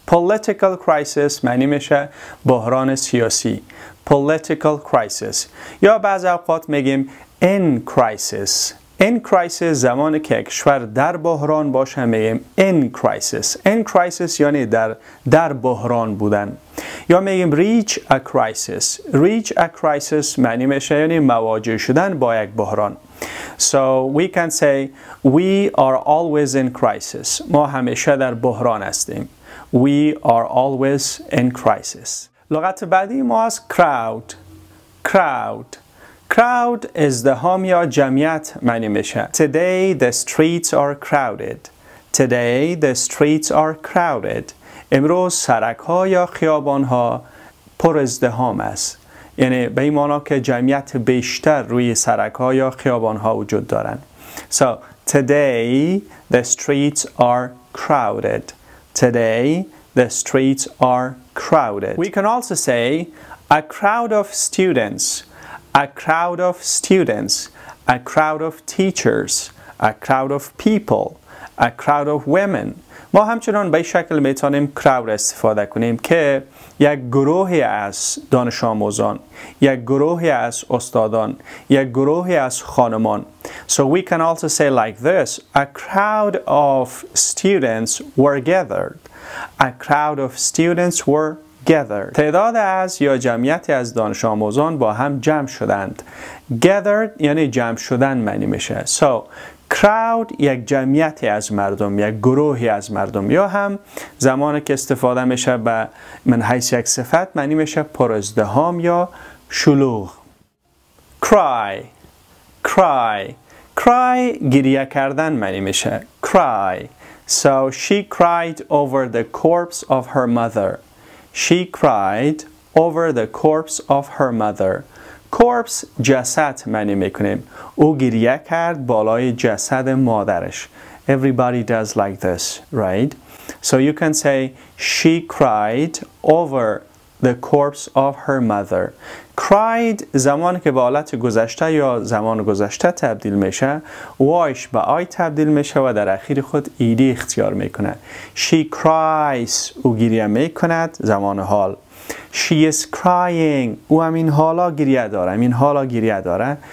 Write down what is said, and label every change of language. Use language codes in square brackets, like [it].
[en] Political crisis [fa] معنی میشه بحران سیاسی. [en] Political crisis. [fa] یا بعض اوقات میگیم [en] in crisis. In crisis [fa] زمانی که کشور در بحران باشه میگیم [en] in crisis. In crisis [fa] یعنی در بحران بودن. یا میگیم [en] reach a crisis. Reach a crisis [fa] معنی میشه یعنی مواجه شدن با یک بحران. [en] So we can say we are always in crisis. [fa] ما همیشه در بحران هستیم. [en] We are always in crisis. [fa] لغت بعدی ما از crowd. [en] Crowd. [fa] Crowd ازدحام یا جمعیت معنی میشه. [en] Today the streets are crowded. Today the streets are crowded. [fa] امروز سرک ها یا خیابان ها پر ازدحام است. یعنی به این معنی که جمعیت بیشتر روی سرک ها یا خیابان ها وجود دارن. [en] So today the streets are crowded. Today the streets are crowded. We can also say a crowd of students. A crowd of students. A crowd of teachers. A crowd of people. A crowd of women. [fa] ما همچنان به شکل میتونیم crowd استفاده کنیم که یک گروهی از دانش آموزان، یک گروهی از استادان، یک گروهی از خانمان. [en] So we can also say like this, a crowd of students were gathered. A crowd of students were gathered. [fa] تعداد از یا جمعیتی از دانش آموزان با هم جمع شدند. Gathered یعنی جمع شدن معنی میشه. So crowd یک جمعیتی از مردم، یک گروهی از مردم، یا هم زمانی که استفاده میشه به من حیث یک صفت معنی میشه پر ازدحام یا شلوغ. [en] Cry. Cry. [fa] Cry گریه کردن معنی میشه. [en] Cry. So she cried over the corpse of her mother. She cried over the corpse of her mother. [fa] Corpse جسد معنی میکنیم. او گریه کرد بالای جسد مادرش. [en] Everybody does like this, right? So you can say she cried over the corpse of her mother. [fa] Cried زمان که به حالت گذشته یا زمان گذشته تبدیل میشه، وایش به آی تبدیل میشه و در اخیر خود ایدی اختیار میکنه. [en] She cries [fa] او گریه میکند زمان حال. [en] She is crying. [fa] او همین حالا گریه داره. همین حالا گریه داره.